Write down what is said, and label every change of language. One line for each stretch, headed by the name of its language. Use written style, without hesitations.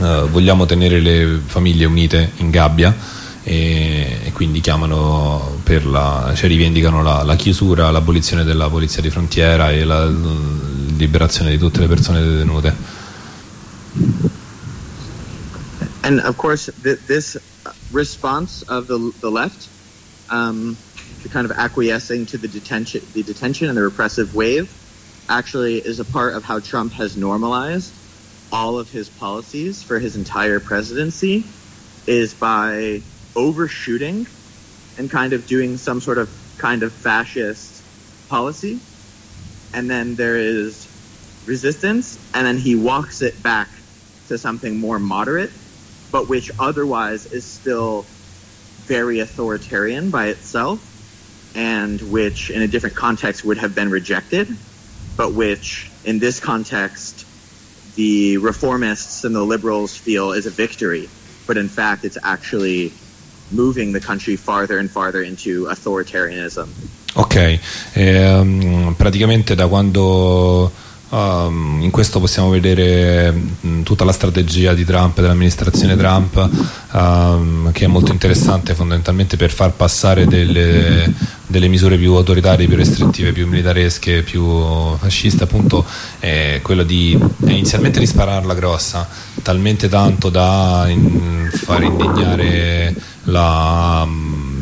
Italian: vogliamo tenere le famiglie unite in gabbia e quindi chiamano per la, cioè rivendicano la chiusura, l'abolizione della polizia di frontiera e la liberazione di tutte le persone detenute.
English: And of course this response of the left, the kind of acquiescing to the detention and the repressive wave, actually is a part of how Trump has normalized all of his policies for his entire presidency, is by overshooting and kind of doing some sort of kind of fascist policy, and then there is resistance, and then he walks it back to something more moderate, but which otherwise is still very authoritarian by itself, and which in a different context would have been rejected, but which in this context the reformists and the liberals feel is a victory, but in fact it's actually moving the country farther and farther into authoritarianism.
Italian: Ok, praticamente da quando in questo possiamo vedere tutta la strategia di Trump, dell'amministrazione Trump, che è molto interessante fondamentalmente per far passare delle misure più autoritarie, più restrittive, più militaresche, più fasciste, appunto è quello di inizialmente di spararla grossa, talmente tanto da far indignare la